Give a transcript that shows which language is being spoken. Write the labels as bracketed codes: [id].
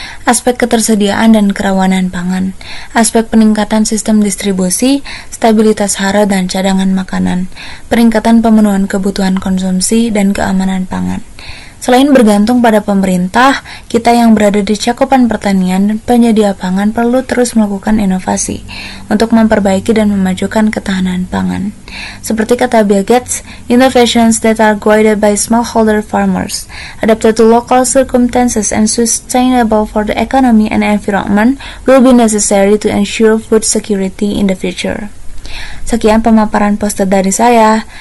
[id] Aspek ketersediaan dan kerawanan pangan, aspek peningkatan sistem distribusi, stabilitas hara dan cadangan makanan, peningkatan pemenuhan kebutuhan konsumsi, dan keamanan pangan. Selain bergantung pada pemerintah, kita yang berada di cakupan pertanian dan penyedia pangan perlu terus melakukan inovasi untuk memperbaiki dan memajukan ketahanan pangan. Seperti kata Bill Gates, [en] innovations that are guided by smallholder farmers, adapted to local circumstances and sustainable for the economy and environment will be necessary to ensure food security in the future. [id] Sekian pemaparan poster dari saya.